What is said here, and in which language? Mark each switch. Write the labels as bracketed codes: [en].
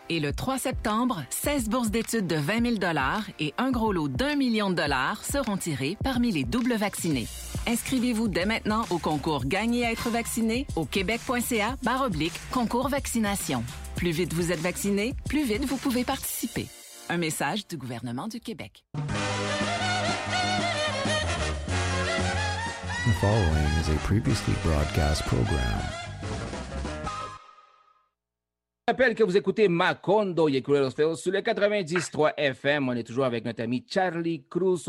[fr] Et le 3 septembre, 16 bourses d'études de 20 000 $ et un gros lot d'un million de $ seront tirés parmi les doubles vaccinés. Inscrivez-vous dès maintenant au concours « Gagner à être vacciné » au québec.ca/concours-vaccination. Plus vite vous êtes vacciné, plus vite vous pouvez participer. Un message du gouvernement du Québec. [en] The following is a previously broadcast program. [fr] Je rappelle que vous écoutez Macondo y Cruel Los Feos sur le 90.3 FM. On est toujours avec notre ami Charlie Cruz.